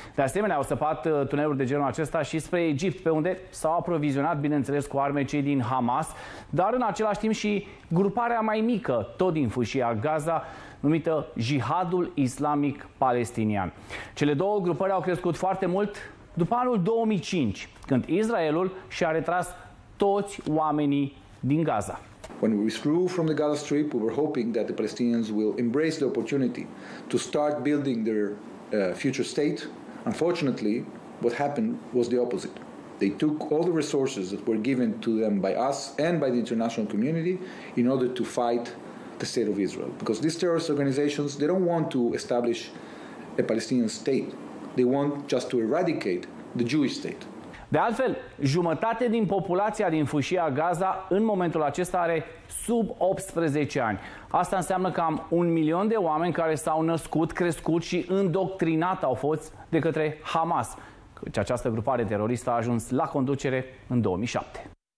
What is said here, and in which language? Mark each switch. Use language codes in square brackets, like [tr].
[ro] De asemenea, au săpat tuneluri de genul acesta și spre Egipt, pe unde s-au aprovizionat, bineînțeles, cu arme cei din Hamas, dar în același timp și gruparea mai mică, tot din fâșia Gaza, numită Jihadul Islamic Palestinian. Cele două grupări au crescut foarte mult după anul 2005, când Israelul și-a retras toți oamenii din Gaza. [en] When we withdrew from the Gaza Strip, we were hoping that the Palestinians will embrace the opportunity to start building their future state. Unfortunately, what happened was the opposite. They took all the resources that were given to them by us and by the international community in order to fight the state of Israel. Because these terrorist organizations, they don't want to establish a Palestinian state. They want just to eradicate the Jewish state. [ro] De altfel, jumătate din populația din fâșia Gaza în momentul acesta are sub 18 ani. Asta înseamnă că am un milion de oameni care s-au născut, crescut și îndoctrinat au fost de către Hamas, căci această grupare teroristă a ajuns la conducere în 2007.